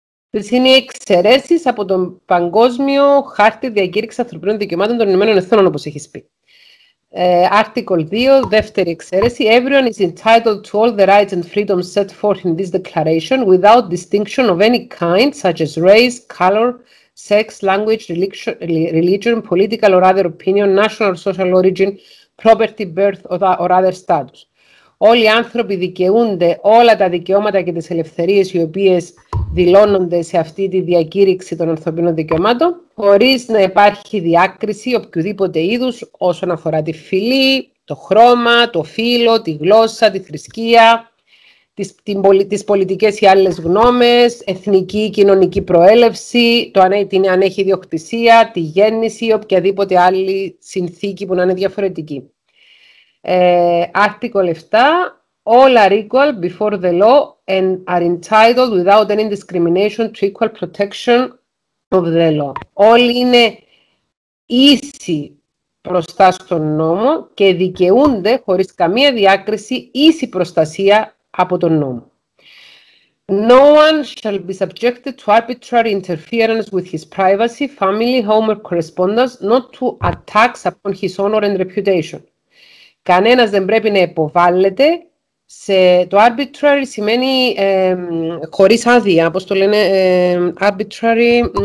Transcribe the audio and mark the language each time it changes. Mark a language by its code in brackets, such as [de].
[el] Τις είναι οι εξαιρέσεις από τον Παγκόσμιο Χάρτη Διακήρυξης Ανθρωπίνων Δικαιωμάτων των Ηνωμένων Εθνών, όπως έχεις πει. [en] Article 2, [el] δεύτερη εξαίρεση. [en] Everyone is entitled to all the rights and freedoms set forth in this declaration without distinction of any kind, such as race, color, sex, language, religion, political or other opinion, national or social origin, property, birth or other status. [el] Όλοι οι άνθρωποι δικαιούνται όλα τα δικαιώματα και τις ελευθερίες οι οποίες δηλώνονται σε αυτή τη διακήρυξη των ανθρωπίνων δικαιωμάτων, χωρίς να υπάρχει διάκριση οποιοδήποτε είδους όσον αφορά τη φυλή, το χρώμα, το φύλο, τη γλώσσα, τη θρησκεία, τις πολιτικές ή άλλες γνώμες, εθνική ή κοινωνική προέλευση, την ανέχει ιδιοκτησία, τη γέννηση ή οποιαδήποτε άλλη συνθήκη που να είναι διαφορετική. [en] Article 7, all are equal before the law and are entitled without any discrimination to equal protection of the law. [el] Όλοι είναι ίσοι μπροστά στον νόμο και δικαιούνται χωρίς καμία διάκριση ίση προστασία από τον νόμο. [en] No one shall be subjected to arbitrary interference with his privacy, family, home or correspondence, not to attacks upon his honor and reputation. [el] Κανένας δεν πρέπει να υποβάλλεται σε... Το arbitrary σημαίνει χωρίς άδεια, όπως το λένε arbitrary...